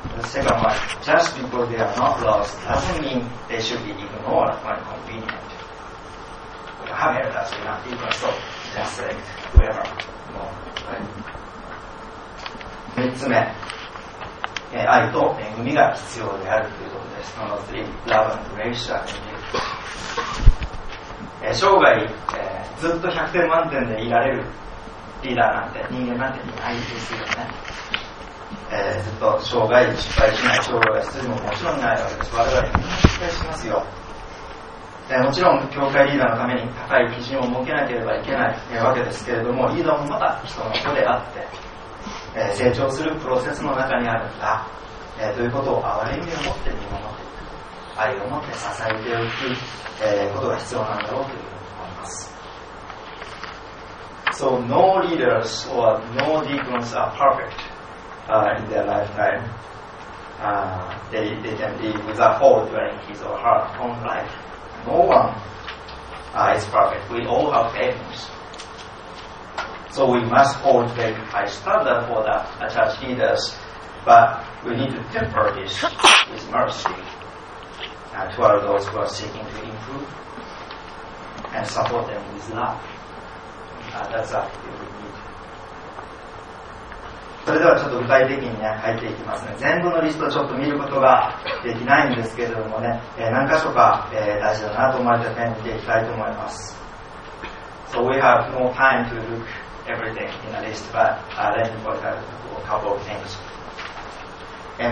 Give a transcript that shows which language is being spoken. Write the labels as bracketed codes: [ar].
[en] Second one, just because they are not laws doesn't mean they should be ignored when convenient. We have elders, we have people, so just select whoever. No, right. [ja] 3つ目、愛と恵みが必要であるということです。その3、 [en] Love and Grace are needed. [ja] 生涯、ずっと100点満点でいられるリーダーなんて人間なんていないですよね。ずっと生涯失敗しない長老が必要ももちろんないわけです。我々みんな失敗しますよ。もちろん教会リーダーのために高い基準を設けなければいけない、わけですけれども、リーダーもまた人の子であって、成長するプロセスの中にあるんだ、ということを憐れみを持って見守っていく、愛を持って支えておく、ことが必要なんだろうというふうに思います。 [en] So no leaders or no deacons are perfectin their lifetime. They can live with a hole during his or her own life. No one is perfect. We all have failings. So we must hold very high standard for the church leaders, but we need to temper this with mercy toward those who are seeking to improve and support them with love. That's a good thing. [ja] それではちょっと具体的に、ね、書いていきますね。全部のリストをちょっと見ることができないんですけれどもね、何箇所か、大事だなと思われた点を見ていきたいと思います。 [en] So we have no time to look everything in a list, but let me point out a couple of things.